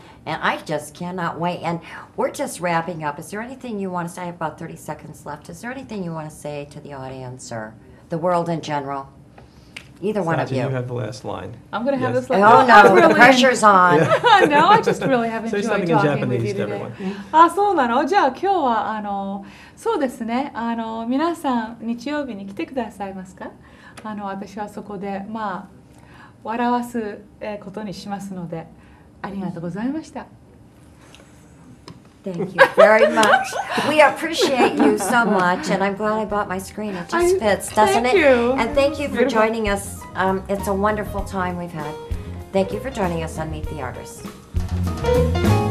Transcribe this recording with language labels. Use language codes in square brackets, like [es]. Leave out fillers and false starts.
[en] And I just cannot wait. And we're just wrapping up. Is there anything you want to say? I have about 30 seconds left. Is there anything you want to say to the audience or the world in general? Either Sachi, one of you. You have the last line. I'm going to have this last line. Oh, no. The pressure's on. No, I just really have enjoyed talking with you today. Say something in Japanese to everyone. [ja] Ah, そうなの。じゃあ今日は、あの、そうですね。あの、皆さん、日曜日に来てくださいますか？あの、私はそこで、まあ、笑わすことにしますので、ありがとうございました。 [en] Thank you very much. We appreciate you so much, and I'm glad I bought my screen. It just fits, doesn't it? Thank you. And thank you for joining us. It's a wonderful time we've had. Thank you for joining us on Meet the Artists.